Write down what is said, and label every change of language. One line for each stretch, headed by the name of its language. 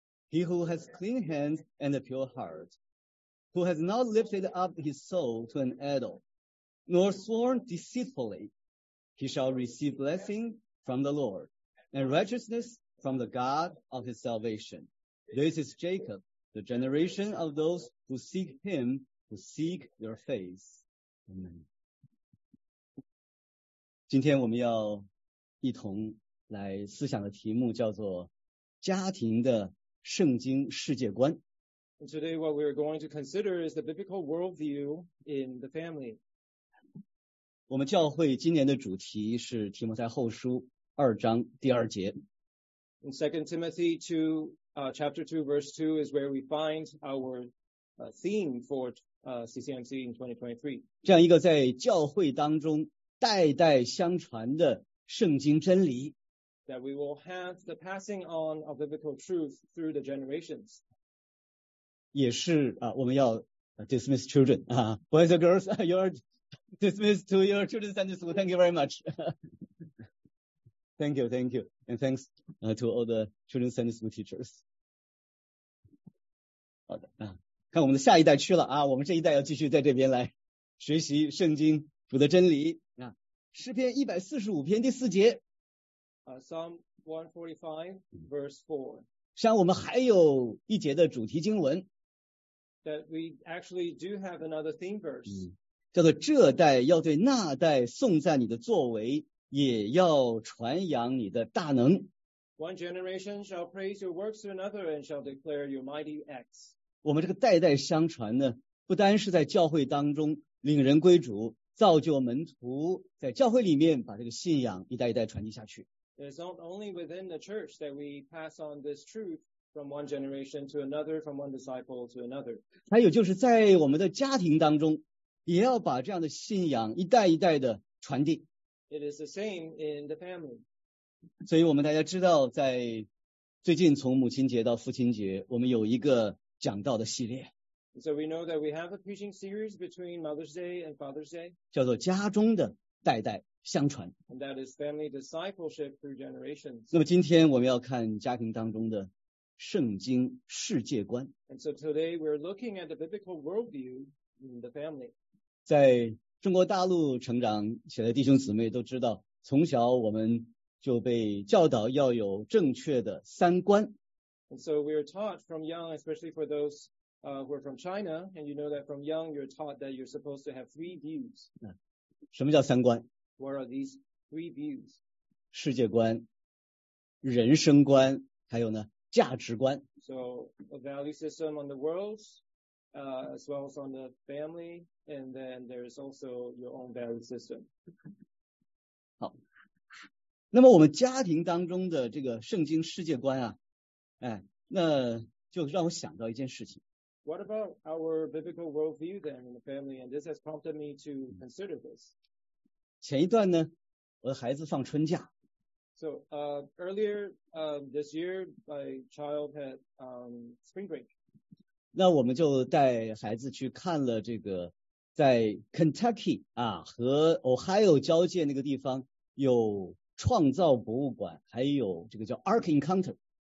English: He who has clean hands and a pure heart, who has not lifted up his soul to an idol, nor sworn deceitfully, he shall receive blessing from the Lord and righteousness from the God of his salvation. This is Jacob, the generation of those who seek him, who seek your face. Amen.
Chinese: 今天我们要一同来思想的题目叫做家庭的圣经世界观。
English: And today what we are going to consider is the biblical worldview in the family.
Chinese: 我们教会今年的主题是提摩太后书2:2.
English: In 2 Timothy 2, chapter 2, verse 2 is where we find our theme for CCMC in 2023.
Chinese: 这样一个在教会当中代代相传的圣经真理。
English: That we will have the passing on of biblical truth through the generations.
Chinese: 也是啊，我们要
English: dismiss children. Boys and girls, you are dismissed to your children's Sunday school. Thank you very much. thank you. And thanks to all the children's Sunday school teachers.
Chinese: 好的啊，看我们的下一代去了啊，我们这一代要继续在这边来学习圣经主的真理。诗篇145篇第4节。
English: Psalm 145 verse 4.
Chinese: 像我们还有一节的主题经文。
English: That we actually do have another theme verse.
Chinese: 叫做这代要对那代颂赞你的作为，也要传扬你的大能。
English: One generation shall praise your works to another and shall declare your mighty acts.
Chinese: 我们这个代代相传呢，不单是在教会当中领人归主，造就门徒，在教会里面把这个信仰一代一代传递下去。
English: It's not only within the church that we pass on this truth from one generation to another, from one disciple to another.
Chinese: 还有就是在我们的家庭当中，也要把这样的信仰一代一代的传递。
English: It is the same in the family.
Chinese: 所以我们大家知道，在最近从母亲节到父亲节，我们有一个讲道的系列。
English: So we know that we have a preaching series between Mother's Day and Father's Day.
Chinese: 叫做家中的代代相传。
English: And that is family discipleship through generations.
Chinese: 那么今天我们要看家庭当中的圣经世界观。
English: And so today we're looking at the biblical worldview in the family.
Chinese: 在中国大陆成长起来的弟兄姊妹都知道，从小我们就被教导要有正确的三观。
English: And so we're taught from young, especially for those who are from China, and you know that from young you're taught that you're supposed to have three views.
Chinese: 什么叫三观？
English: What are these three views?
Chinese: 世界观、人生观，还有呢，价值观。
English: So, a value system on the world, as well as on the family, and then there is also your own value system.
Chinese: 好，那么我们家庭当中的这个圣经世界观啊，哎，那就让我想到一件事情。
English: What about our biblical worldview then in the family? And this has prompted me to consider this.
Chinese: 前一段呢，我的孩子放春假。
English: So, earlier, this year, my child had, spring break.
Chinese: 那我们就带孩子去看了这个在 Kentucky 啊和 Ohio 交界那个地方有创造博物馆，还有这个叫 Ark Encounter。